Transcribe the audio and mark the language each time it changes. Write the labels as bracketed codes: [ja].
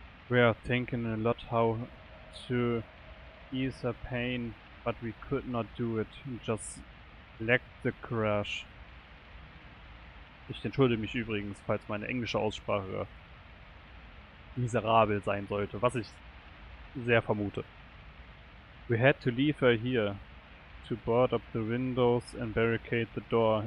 [en] We are thinking a lot how to ease her pain, but we could not do it. We just let the crash. [de] Ich entschuldige mich übrigens, falls meine englische Aussprache miserabel sein sollte, was ich sehr vermute. [en] We had to leave her here to board up the windows and barricade the door.